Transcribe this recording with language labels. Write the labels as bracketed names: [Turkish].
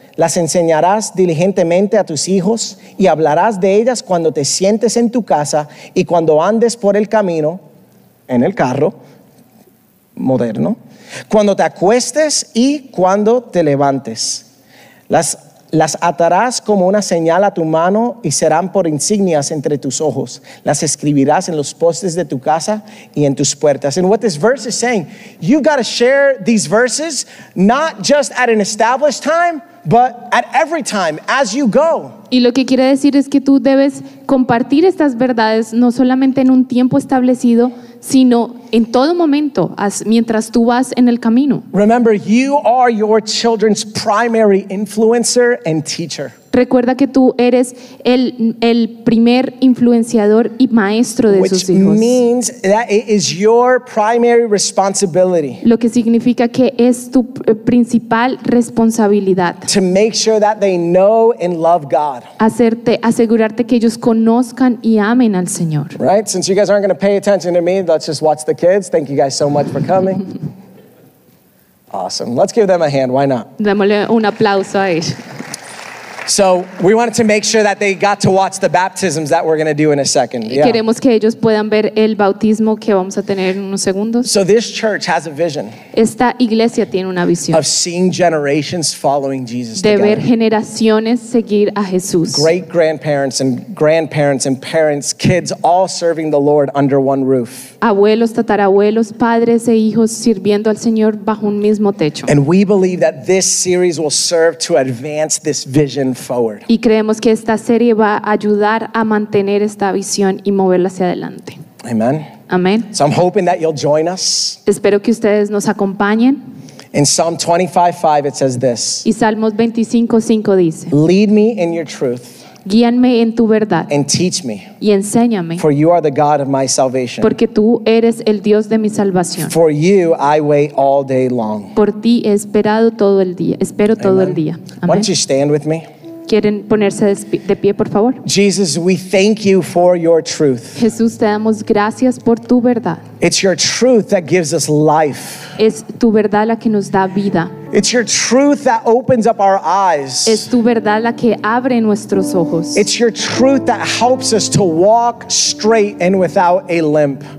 [Spanish] Las enseñarás diligentemente a tus hijos y hablarás de ellas cuando te sientes en tu casa y cuando andes por el camino, en el carro moderno, cuando te acuestes y cuando te levantes. Las atarás como una señal a tu mano y serán por insignias entre tus ojos. Las escribirás en los postes de tu casa y en tus puertas. [English] And what this verse is saying, you got to share these verses not just at an established time, but at every time, as you go. [Spanish] Y lo que quiere decir es que tú debes compartir estas verdades no solamente en un tiempo establecido, sino en todo momento, mientras tú vas en el camino. [English] Remember, you are your children's primary influencer and teacher. [Spanish] Recuerda que tú eres el primer influenciador y maestro de sus hijos. [English] Which means that it is your primary responsibility. [Spanish] Lo que significa que es tu principal responsabilidad. [English] To make sure that they know and love God. [Spanish] Asegurarte que ellos conozcan y amen al Señor. [English] Right? Since you guys aren't going to pay attention to me, let's just watch the kids. Thank you guys so much for coming. Awesome. Let's give them a hand. Why not? [Spanish] Démosle un aplauso a ellos. [English] So we wanted to make sure that they got to watch the baptisms that we're going to do in a second. Yeah. [Spanish] Queremos que ellos puedan ver el bautismo que vamos a tener en unos segundos. [English] So this church has a vision. [Spanish] Esta iglesia tiene una visión. [English] Of seeing generations following Jesus. [Spanish] De ver generaciones seguir a Jesús. [English] Great grandparents and parents, kids all serving the Lord under one roof. [Spanish] Abuelos, tatarabuelos, padres e hijos sirviendo al Señor bajo un mismo techo. [English] And we believe that this series will serve to advance this vision forward. [Spanish] Y creemos que esta serie va a ayudar a mantener esta visión y moverla hacia adelante. [English] Amen. Amen. So I'm hoping that you'll join us. [Spanish] Espero que ustedes nos acompañen. [English] In Psalm 25:5 it says this. [Spanish] Y Salmos 25:5 dice. [English] Lead me in your truth. [Spanish] Guíame en tu verdad. [English] And teach me. [Spanish] Y enséñame. [English] For you are the God of my salvation. [Spanish] Porque tú eres el Dios de mi salvación. [English] For you I wait all day long. [Spanish] Por ti he esperado todo el día. Espero Amen. Todo el día. [English] Amen. Why don't you stand with me? [Spanish] ¿Quieren ponerse de pie, por favor? [English] Jesus, we thank you for your truth. [Spanish] Jesús, te damos gracias por tu verdad. [English] It's your truth that gives us life. [Spanish] Es tu verdad la que nos da vida. [English] It's your truth that opens up our eyes. [Spanish] Es tu verdad la que abre nuestros ojos. [English] It's your truth that helps us to walk straight and without a limp.